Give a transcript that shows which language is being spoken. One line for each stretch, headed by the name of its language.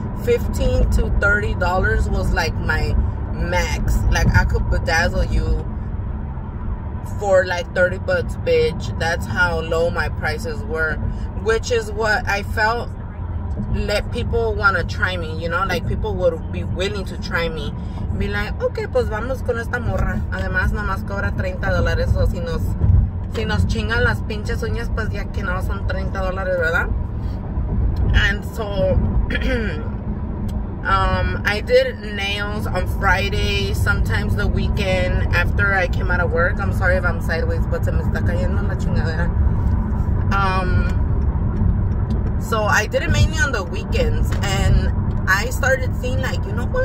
English: $15 to $30 was like my max. Like, I could bedazzle you for like $30, bitch. That's how low my prices were. Which is what I felt let people want to try me, you know? Like, people would be willing to try me. Be like, okay,
Spanish: pues vamos con esta morra. Además, nomás cobra $30 o si nos... Si nos chingan las pinches uñas, pues ya que no son $30, ¿verdad?
English: And so, I did nails on Friday, sometimes the weekend after I came out of work. I'm sorry if I'm sideways, but
Spanish: se me está cayendo la chingadera.
English: So, I did it mainly on the weekends. And I started seeing, like, you know what?